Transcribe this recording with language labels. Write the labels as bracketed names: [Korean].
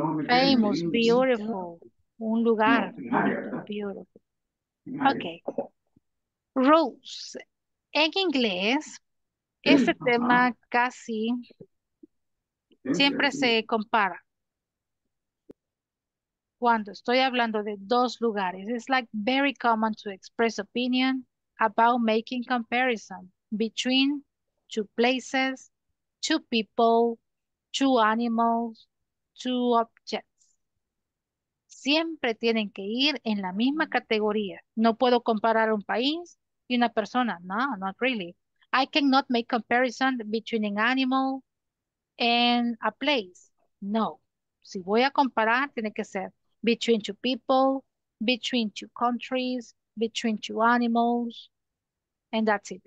[English] Famous, beautiful. [Spanish] Un lugar. [English] Beautiful. Ok. Rose. [Spanish] En inglés, este tema casi siempre se compara. Cuando estoy hablando de dos lugares, [English] it's like very common to express opinion about making comparison between two places, two people, two animals, two objects. [Spanish] Siempre tienen que ir en la misma categoría. No puedo comparar un país y una persona. [English] No, not really. I cannot make comparison between an animal and a place. No. [Spanish] Si voy a comparar, tiene que ser [English] between two people, between two countries, between two animals, and that's it.